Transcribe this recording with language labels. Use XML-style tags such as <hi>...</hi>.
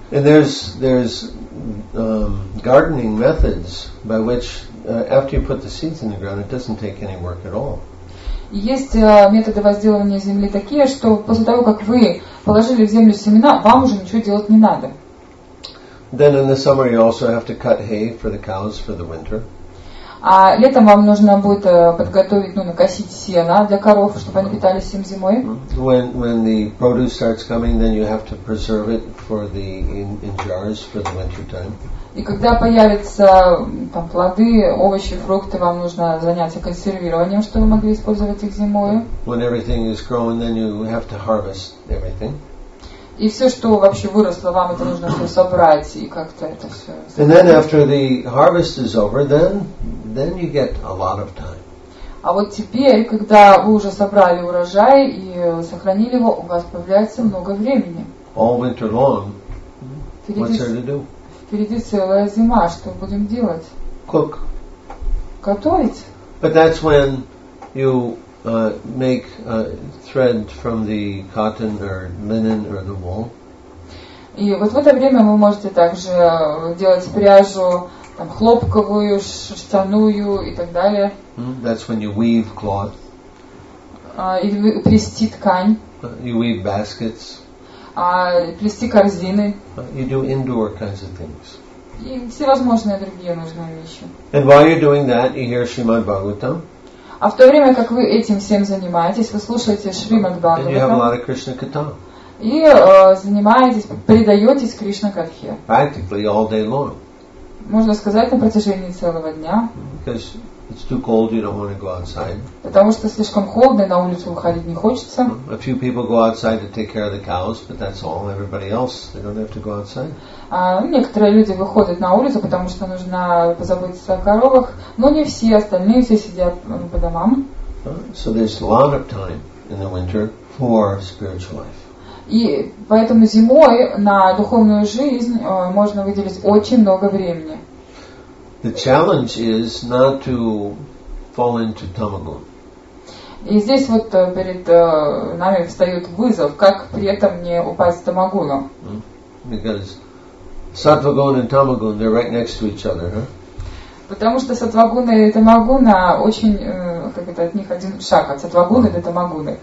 <en>And there's gardening methods by which after you put the seeds in the ground it doesn't take any work at all.</en> <ru>Есть методы возделывания земли такие, что после того, как вы положили в землю семена, вам уже ничего делать не надо.</ru> <en>Then in the summer you also have to cut hay for the cows for the winter.</en> <ru>А летом вам нужно будет подготовить, ну, накосить сено для коров, чтобы они питались всем зимой.</ru> <en>When the produce starts coming, then you have to preserve it for the in jars for the winter time.</en> <ru>И когда появятся там плоды, овощи, фрукты, вам нужно заняться консервированием, чтобы вы могли использовать их зимой.</ru> <en>When everything is growing, then you have to harvest everything.</en> <ru>И все, что вообще выросло, вам это нужно все собрать и как-то это все.</ru> <en>And then after the harvest is over, then you get a lot of time.</en> <ru>А вот теперь, когда вы уже собрали урожай и сохранили его, у вас появляется много времени.</ru> <en>All winter long. What's there to do?</en> <ru>Впереди целая зима, что будем делать?</ru> <en>Cook.</en> <ru>Готовить.</ru> <en>But that's when you make thread from the cotton or linen or the wool.</en> <ru>И вот в это время вы можете также делать пряжу, там, хлопковую, шерстяную и так далее.</ru> <en>That's when you weave cloth.</en> <ru>Или вы плести ткань.</ru> <en>You weave baskets.</en> <ru>Плести корзины.</ru> <en>You do indoor kinds of things.</en> <ru>И всевозможные другие нужные вещи.</ru> <en>And while you're doing that, you hear Srimad Bhagavatam.</en> <ru>А в то время, как вы этим всем занимаетесь, вы слушаете Шримад Бхагаватам.</ru> <en>And you have a lot of Krishna Katha.</en> <ru>И занимаетесь, предаетесь Кришна Катхе.</ru> <en>Practically all day long.</en> <ru>Можно сказать, на протяжении целого дня.</ru> <en>Because it's too cold, you don't want to go outside.</en> <ru>Потому что слишком холодно, на улицу выходить не хочется.</ru> <en>A few people go outside to take care of the cows, but that's all. Everybody else, they don't have to go outside.</en> <ru>Некоторые люди выходят на улицу, потому что нужно позаботиться о коровах, но не все, остальные все сидят по домам.</ru> <en>So there's a lot of time in the winter for spiritual life.</en> <ru>И поэтому зимой на духовную жизнь можно выделить очень много времени.</ru> <en>The challenge is not to fall into tamagun.</en> <ru>И здесь вот перед нами встает вызов, как при этом не упасть в тамагуну.</ru> <en>Because сатвагун and тамагун, they're right next to each other, huh?</en> <ru>Потому что сатвагуна и тамагуна очень, как это от них один шаг, от сатвагуны до тамагуны.</ru>